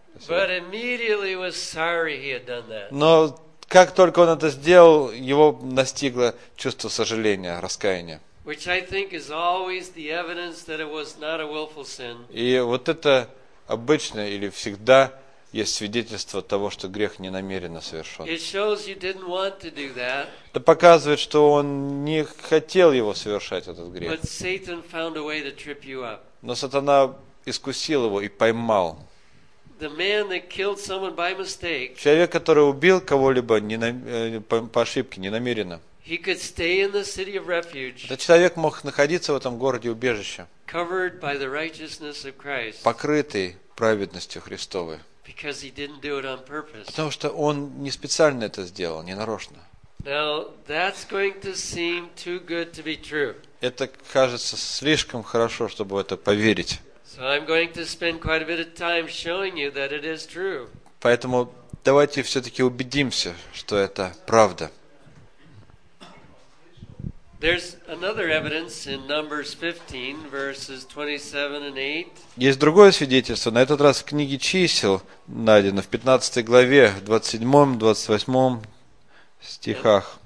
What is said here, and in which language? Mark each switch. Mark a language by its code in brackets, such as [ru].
[en] But immediately was sorry he had done that. [ru] Но как только он это сделал, его настигло чувство сожаления, раскаяния. [en] Which I think is always the evidence that it was not a willful sin. [ru] И вот это обычно или всегда есть свидетельство того, что грех ненамеренно совершен. [en] It shows you didn't want to do that. [ru] Это показывает, что он не хотел его совершать, этот грех. [en] But Satan found a way to trip you up. [ru] Но сатана искусил его и поймал. [en] The man that killed someone by mistake. [ru] Человек, который убил кого-либо по ошибке, ненамеренно. [en] He could stay in the city of refuge. [ru] Этот человек мог находиться в этом городе убежища. [en] Covered by the righteousness of Christ. [ru] Покрытый праведностью Христовой. [en] Because he didn't do it on purpose. [ru] Потому что он не специально это сделал, не нарочно. [en] Now that's going to seem too good to be true. [ru] Это кажется слишком хорошо, чтобы в это поверить. [en] So I'm going to spend quite a bit of time showing you that it is true. [ru] Поэтому давайте все-таки убедимся, что это правда. [en] There's another evidence in Numbers 15, verses 27 and 8. [ru] Есть другое свидетельство, на этот раз в книге чисел, найдено в 15 главе, 27, 28 стихах.